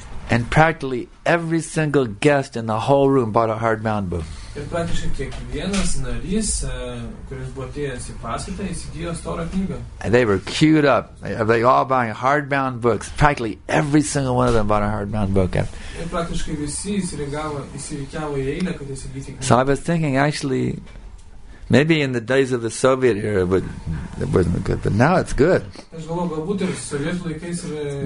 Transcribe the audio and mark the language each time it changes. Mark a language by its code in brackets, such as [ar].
[en] And practically every single guest in the whole room bought a hardbound book. [lt] Ir praktiškai kiekvienas narys, kuris buvo atėjęs į paskaitą, įsigijo storą knygą. [en] They were queued up. They all buying hardbound books. Practically every single one of them bought a hardbound book. [lt] Ir praktiškai visi įsirikiavo į eilę, kad įsigyti knygą. [en] So I was thinking, actually, maybe in the days of the Soviet era, it wasn't good, but now it's good. [lt] Aš galvoju, galbūt ir sovietų laikais yra...